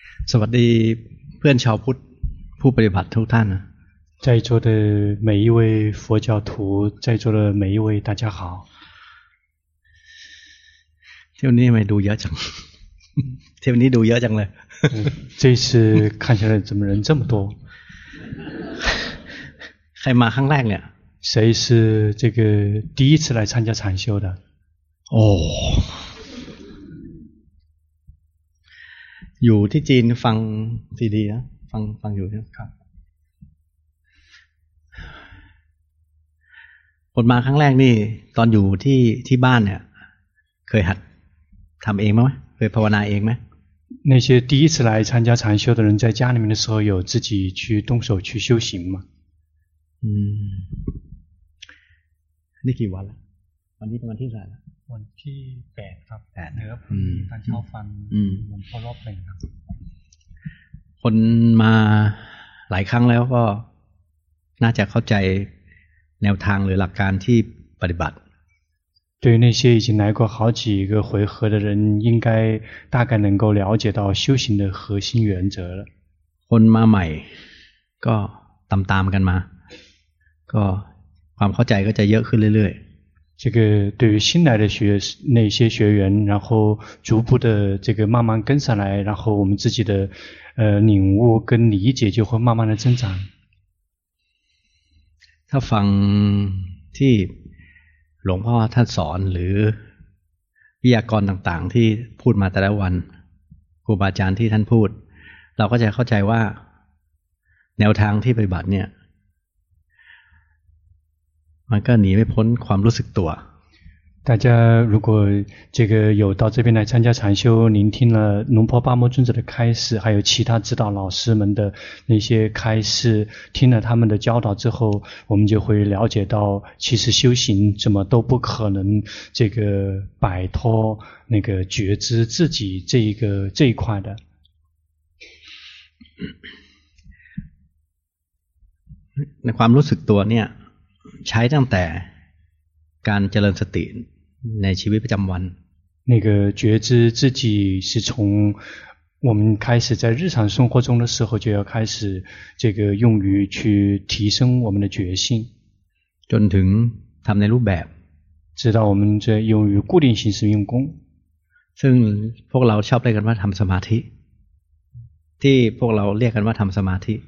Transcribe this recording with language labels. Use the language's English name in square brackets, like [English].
[Thai] สวัสดีเพื่อนชาวพุทธผู้ปฏิบัติทุกท่านนะ [Chinese] 在座的每一位佛教徒在座的每一位大家好 [Thai] เที่ยวนี้ทำไมดูเยอะจังเที่ยวนี้ดูเยอะจังเลย [Chinese] 这次看起来怎么人这么多 [Thai] ใครมาครั้งแรกเนี่ย [Chinese] 谁是这个第一次来参加禅修的 [Thai] โอ้อยู่ที่จีนฟังซีดีนะฟังอยู่นะ ครับ ผมมาครั้งแรกนี่ตอนอยู่ที่บ้านเนี่ยเคยหัดทำเองไหมเคยภาวนาเองไหม [Chinese] 那些第一次来参加禅修的人在家里面的时候有自己去动手去修行吗 [Thai] นี่กี่วันแล้ววันนี้เป็นวันที่เท่าไหร่ วันที่8ครับ 8 เนื้อผมตันเช้าฟันผมพอรอบหนึ่งครับ คนมาหลายครั้งแล้วก็น่าจะเข้าใจแนวทางหรือหลักการที่ปฏิบัติ [Chinese] 对那些已经来过好几个回合的人应该大概能够了解到修行的核心原则了 [Thai] คนมาใหม่ก็ตามกันมาก็ความเข้าใจก็จะเยอะขึ้นเรื่อยๆ [Chinese] 这个对于新来的那些学员，然后逐步的这个慢慢跟上来，然后我们自己的领悟跟理解就会慢慢的增长。他放 [Thai] ที่หลวงพ่อท่านสอนหรือวิทยากรต่างๆที่พูดมาแต่ละวันครูบาอาจารย์ที่ท่านพูดเราก็จะเข้าใจว่าแนวทางที่ปฏิบัติเนี่ยมันก็หนีไม่พ้นความรู้สึกตัว [Chinese] 大家如果这个有到这边来参加禅修聆听了龙婆巴摩尊者的开示还有其他指导老师们的那些开示听了他们的教导之后我们就会了解到其实修行怎么都不可能这个摆脱那个觉知自己这一块的 [Thai] 那ความรู้สึกตัวเนี่ยใช้ตั้งแต่การเจริญสติในชีวิตประจำวัน [Chinese] 那个觉知自己是从我们开始在日常生活中的时候就要开始这个用于去提升我们的觉性 [Thai] จนถึงทำในรูปแบบ [Chinese] 直到我们这用于固定形式用功 [Thai] ซึ่งพวกเราชอบเรียกกันว่าทำสมาธิที่พวกเราเรียกกันว่าทำสมาธิ